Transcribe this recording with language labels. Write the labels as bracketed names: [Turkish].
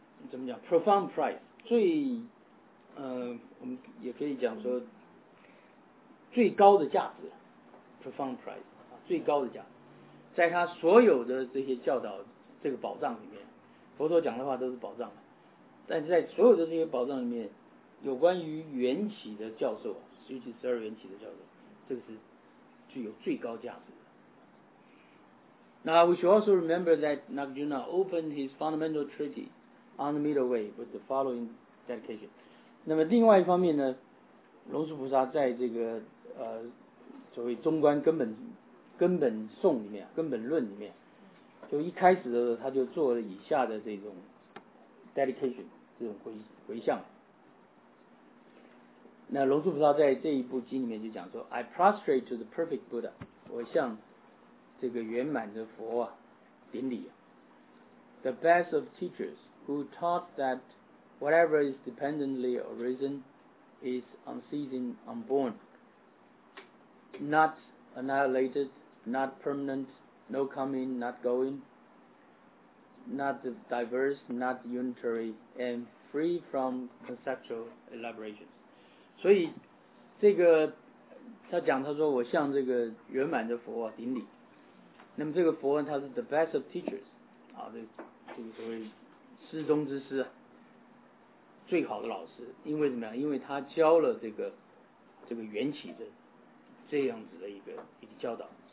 [Chinese] 怎么讲 [English] profound prize， [Chinese] 最我们也可以讲说最高的价值 profound prize 最高的价值，在他所有的这些教导。这个宝藏里面佛陀讲的话都是宝藏，但是在所有的这些宝藏里面有关于缘起的教授，尤其十二缘起的教授，这个是具有最高价值的。 [English] Now we should also remember that Nagarjuna opened his fundamental treaty on the middle way with the following dedication。 [Chinese] 那么另外一方面呢，龙树菩萨在这个所谓中观根本颂里面，根本论里面，就一开始的时候他就做了以下的这种 dedication 这种回向。那龙树菩萨在这一部经里面就讲说 [English] I prostrate to the perfect Buddha， [Chinese] 我向这个圆满的佛啊顶礼。 [English] The best of teachers who taught that whatever is dependently arisen is unceasing, unborn, not annihilated, not permanent,No coming, not going, not diverse, not unitary, and free from conceptual elaborations. [Chinese] 所以这个他讲，他说我向这个圆满的佛、啊、顶礼。那么这个佛他是 [English] the best of teachers， [Chinese] 啊，这个所谓师中之师，最好的老师。因为怎么样？因为他教了这个缘起的这样子的一个教导。